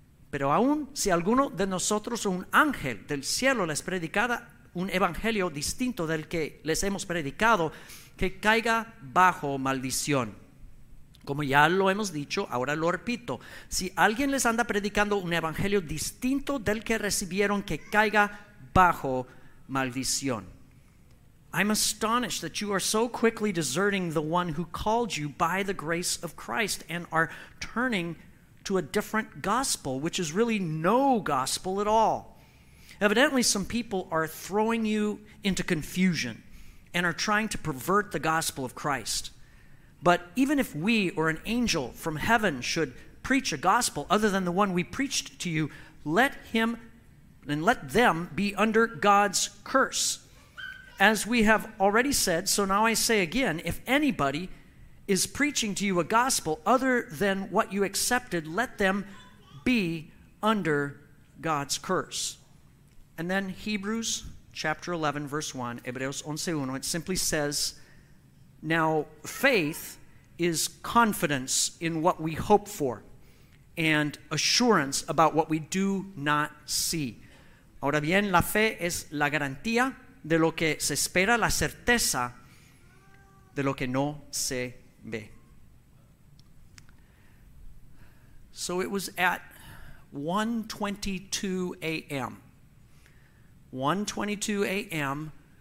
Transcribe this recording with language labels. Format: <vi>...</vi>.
<es>Pero aún si alguno de nosotros o un ángel del cielo les predicara un evangelio distinto del que les hemos predicado, que caiga bajo maldición. Como ya lo hemos dicho, ahora lo repito, si alguien les anda predicando un evangelio distinto del que recibieron, que caiga bajo maldición.</es> <en>I'm astonished that you are so quickly deserting the one who called you by the grace of Christ and are turning to a different gospel, which is really no gospel at all. Evidently, some people are throwing you into confusion and are trying to pervert the gospel of Christ. But even if we or an angel from heaven should preach a gospel other than the one we preached to you, let them be under God's curse. As we have already said, so now I say again, if anybody is preaching to you a gospel other than what you accepted, let them be under God's curse. And then Hebrews chapter 11, verse 1, Hebreos 11:1, it simply says, Now faith is confidence in what we hope for and assurance about what we do not see.</en> <es>Ahora bien, la fe es la garantía de lo que se espera, la certeza de lo que no se ve.</es> <en>So it was at 1:22 a.m.</en>